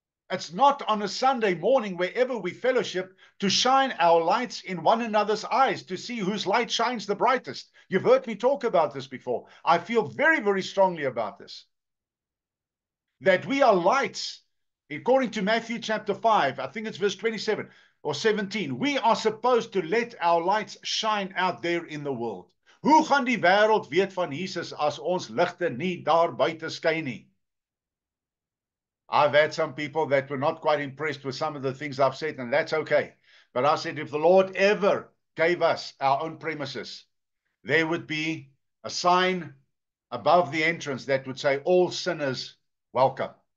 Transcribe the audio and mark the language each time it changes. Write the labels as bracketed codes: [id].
[en] It's not on a Sunday morning wherever we fellowship to shine our lights in one another's eyes to see whose light shines the brightest. You've heard me talk about this before. I feel very, very strongly about this, that we are lights. According to Matthew chapter 5, I think it's verse 27 or 17, we are supposed to let our lights shine out there in the world. [af] Hoe gaan die wêreld weet van Jesus as ons ligte nie daar buite skyn nie? [en] I've had some people that were not quite impressed with some of the things I've said, and that's okay. But I said, if the Lord ever gave us our own premises, there would be a sign above the entrance that would say, all sinners welcome.